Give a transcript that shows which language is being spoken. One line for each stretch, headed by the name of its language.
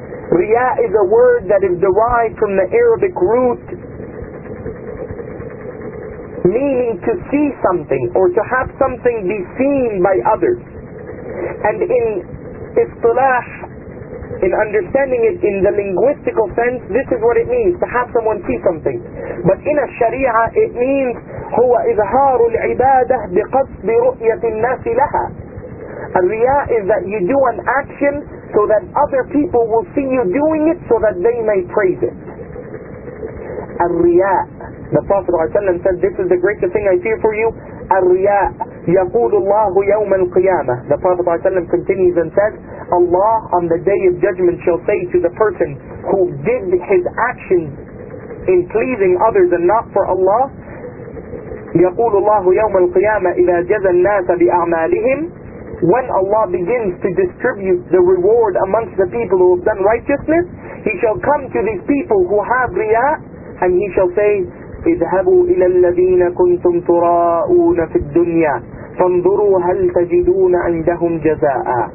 English: Riya is a word that is derived from the Arabic root meaning to see something or to have something be seen by others. And in istilah, in understanding it in the linguistical sense, this is what it means, to have someone see something. But in a sharia, it means
Arabic: هُوَ إِظْهَارُ الْعِبَادَةِ بِقَصْدِ رُؤْيَةِ النَّاسِ لَهَا.
English: Al-Riya is that you do an action so that other people will see you doing it so that they may praise it. Al-Riya, the Prophet ﷺ said, this is the greatest thing I fear for you.
Arabic: Al-Riya, يقول الله يوم القيامة.
English: The Prophet ﷺ continues and says, Allah on the Day of Judgment shall say to the person who did his actions in pleasing others and not for Allah,
Arabic: يقول الله يوم القيامة إذا جزى الناس بأعمالهم.
English: When Allah begins to distribute the reward amongst the people who have done righteousness, He shall come to these people who have riya, and He shall say,
Arabic: اذهبوا إلى الذين كنتم تراءون في الدنيا فانظروا هل تجدون عندهم جزاء.